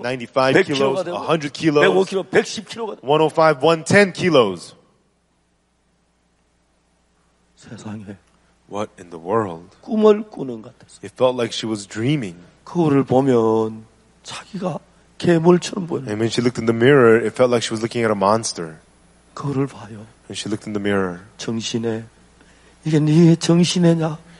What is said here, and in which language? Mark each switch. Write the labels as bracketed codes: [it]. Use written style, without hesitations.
[en] 95 kilos. 100 kilos. 105 kilos. 110 kilos. 105, 110 kilos. [ko] 세상에. [en] What in the world? [ko] 꿈을 꾸는 것 같았어. [en] It felt like she was dreaming. [ko] 거울을 보면 자기가 괴물처럼 보여. [en] And when she looked in the mirror, it felt like she was looking at a monster. [ko] 거울을 봐요. [en] And she looked in the mirror. [ko] 정신에 이게 네 정신이냐?